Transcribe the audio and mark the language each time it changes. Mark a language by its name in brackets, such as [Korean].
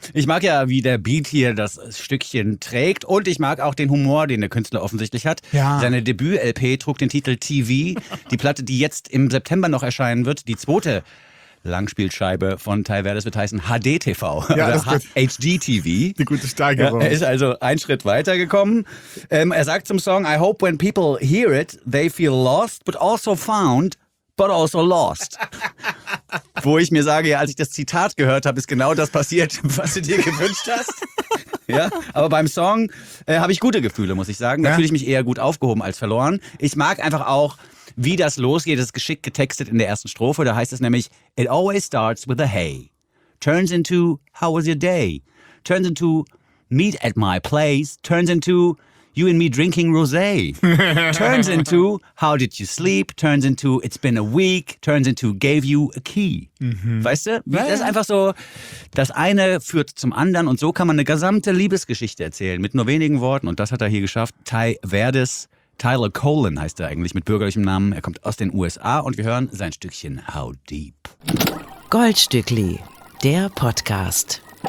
[German] Ich mag ja, wie der Beat hier das Stückchen trägt. Und ich mag auch den Humor, den der Künstler offensichtlich hat. Ja. Seine Debüt-LP trug den Titel TV. Die Platte, die jetzt im September noch erscheinen wird, die zweite Langspielscheibe von Ty Verdes wird heißen HDTV, ja, oder ist HDTV. Die gute Steigerung. Ja, er ist also einen Schritt weiter gekommen. Er sagt zum Song, [English] I hope when people hear it, they feel lost, but also found, but also lost. [German] Wo ich mir sage, ja, als ich das Zitat gehört habe, ist genau das passiert, was du dir gewünscht hast. Ja, aber beim Song habe ich gute Gefühle, muss ich sagen. Da fühle ich mich eher gut aufgehoben als verloren. Ich mag einfach auch, wie das losgeht, ist geschickt getextet in der ersten Strophe. Da heißt es nämlich, [English] it always starts with a hey. Turns into, how was your day? Turns into, meet at my place. Turns into, you and me drinking rosé. Turns into, how did you sleep? Turns into, it's been a week. Turns into, gave you a key. Mhm. [German] Weißt du? Das ist einfach so, das eine führt zum anderen. Und so kann man eine gesamte Liebesgeschichte erzählen. Mit nur wenigen Worten. Und das hat er hier geschafft. Ty Verdes. Tyler Colon heißt er eigentlich mit bürgerlichem Namen. Er kommt aus den USA und wir hören sein Stückchen How Deep. Goldstückli, der Podcast.